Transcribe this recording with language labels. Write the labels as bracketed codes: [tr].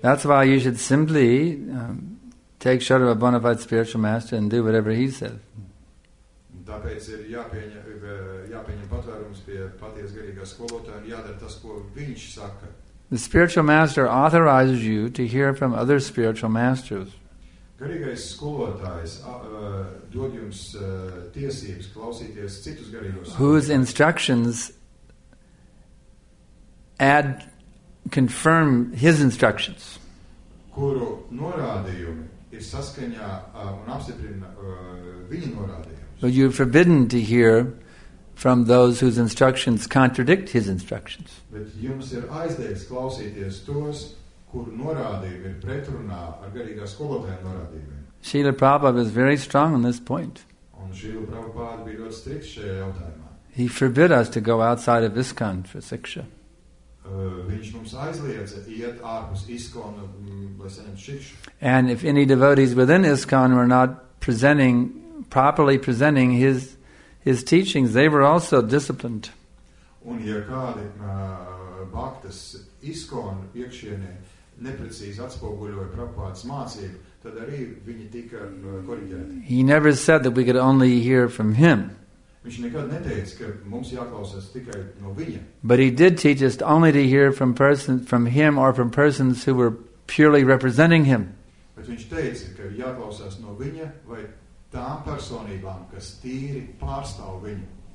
[en] That's why you should simply take shelter of a bona fide spiritual master and do whatever he says. [lv] Tāpēc ir jāpieņem patvērums pie paties garīgā skolotāja un jādara tas, ko viņš saka. [en] The spiritual master authorizes you to hear from other spiritual masters. [lv] Garīgais skolotājs dod jums tiesības klausīties citus garīgos. [en] Whose instructions add confirm his instructions. [lv] Kuru norādījumi ir saskaņā un apstiprina viņa norādījumus. [en] But you're forbidden to hear from those whose instructions contradict his instructions. [lv] Bet jums ir aizliegts klausīties tos, kur norādījumi ir pretrunā ar garīgā skolotāja norādījumiem. [en] Srila Prabhupada is very strong on this point. [lv] Un Srila Prabhupada bija ļoti strikts šajā jautājumā. [en] He forbid us to go outside of ISKCON for siksha. [lv] Viņš mums aizliedza iet ārpus ISKCON, lai saņemtu siksha. [en] And if any devotees within ISKCON were not properly presenting his teachings, they were also disciplined. [lv] Un ja kādi baktas ISKCON iekšienē neprecīzi atspoguļoja Prabhupādas mācību, tad arī viņi tika korrigēti. [en] He never said that we could only hear from him. [lv] Viņš nekad neteica, ka mums jāklausās tikai no viņa. [en] But he did teach us only to hear from him or from persons who were purely representing him. [lv] Bet viņš teica, ka jāklausās no viņa vai tām personībām, kas tīri pārstāv viņu.